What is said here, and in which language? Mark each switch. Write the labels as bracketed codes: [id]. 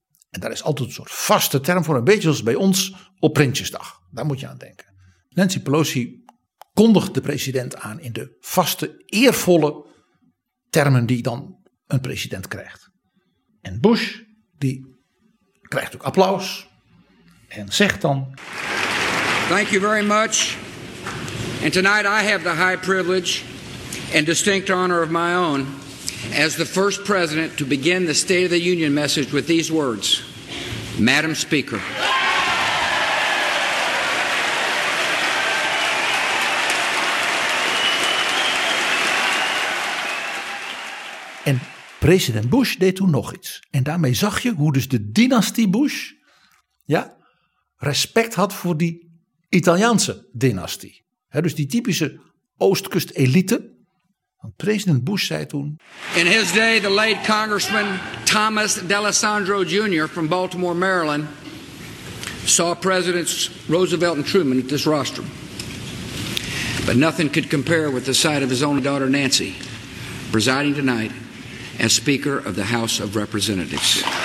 [nl] En daar is altijd een soort vaste term voor. Een beetje zoals bij ons op Prinsjesdag. Daar moet je aan denken. Nancy Pelosi kondigt de president aan in de vaste, eervolle termen die dan een president krijgt. En Bush, die krijgt ook applaus en zegt dan: [en] Thank you very much. And tonight I have the high privilege and distinct honor of my own as the first president to begin the State of the Union message with these words. Madam Speaker. [nl] En president Bush deed toen nog iets. En daarmee zag je hoe dus de dynastie Bush, ja, respect had voor die Italiaanse dynastie. He, dus die typische Oostkust elite. Want president Bush zei toen: [en] In his day the late congressman Thomas D'Alessandro Jr. from Baltimore, Maryland saw presidents Roosevelt and Truman at this rostrum. But nothing could compare with the sight of his own daughter Nancy presiding tonight as Speaker of the House of Representatives.